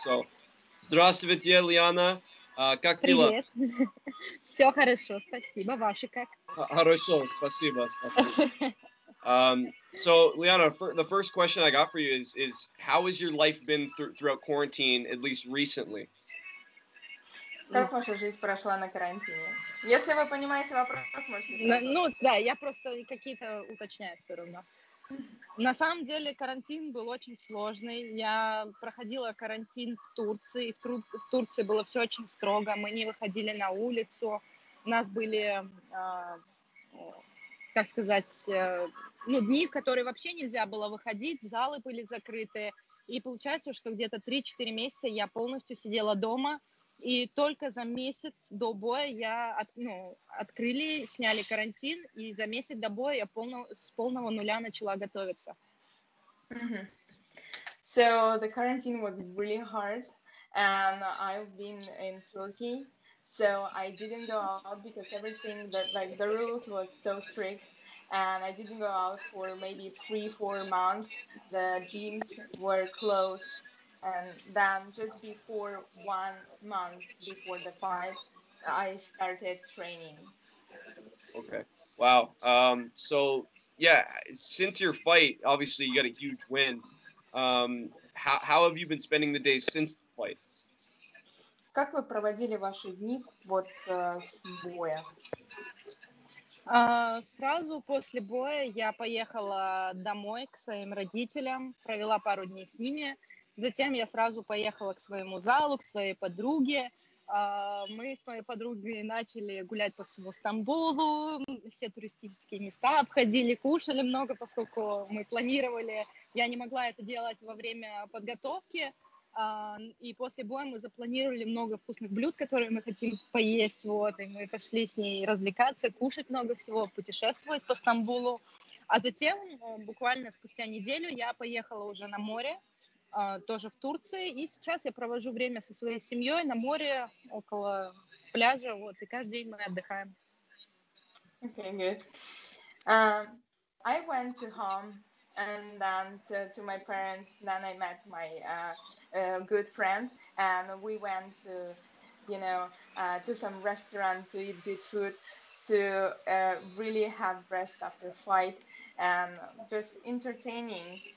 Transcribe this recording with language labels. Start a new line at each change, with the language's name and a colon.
Russian: So, здравствуйте, Лиана. Как дела? Привет. Все хорошо, спасибо. Ваши как? Хорошо, спасибо.
English: So, Лиана, the first question I got for you is how has your life been throughout quarantine, at least recently?
Russian: Как ваша жизнь прошла на карантине? Если вы понимаете вопрос, можете... Ну, да, я просто какие-то уточняю все равно. На самом деле карантин был очень сложный. Я проходила карантин в Турции. В Турции было все очень строго. Мы не выходили на улицу. У нас были, как сказать, ну, дни, в которые вообще нельзя было выходить. Залы были закрыты. И получается, что где-то 3-4 месяца я полностью сидела дома. И только за месяц до боя открыли, сняли карантин, и за месяц до боя я с полного нуля начала готовиться. Mm-hmm.
English: So the quarantine was really hard, and I've been in Turkey, so I didn't go out because everything that like the rules was so strict, and I didn't go out for maybe 3-4 months. The gyms were closed. And then just before 1 month before the fight, I started training. Okay. Wow. So yeah, since your fight, obviously you got a huge win. How have you been spending the days since the fight?
Russian: Как вы проводили ваши дни вот с боя? Сразу после боя я поехала домой к своим родителям, провела пару дней с ними. Затем я сразу поехала к своему залу, к своей подруге. Мы с моей подругой начали гулять по всему Стамбулу, все туристические места обходили, кушали много, поскольку мы планировали. Я не могла это делать во время подготовки. И после боя мы запланировали много вкусных блюд, которые мы хотим поесть. Вот, и мы пошли с ней развлекаться, кушать много всего, путешествовать по Стамбулу. А затем, буквально спустя неделю, я поехала уже на море. Тоже в Турции, и сейчас я провожу время со своей семьей на море, около пляжа, вот, и каждый день мы отдыхаем.
English: Okay, good. I went to home, and then to my parents, then I met my good friend, and we went to, you know, to some restaurant to eat good food, to really have rest after fight, and just entertaining.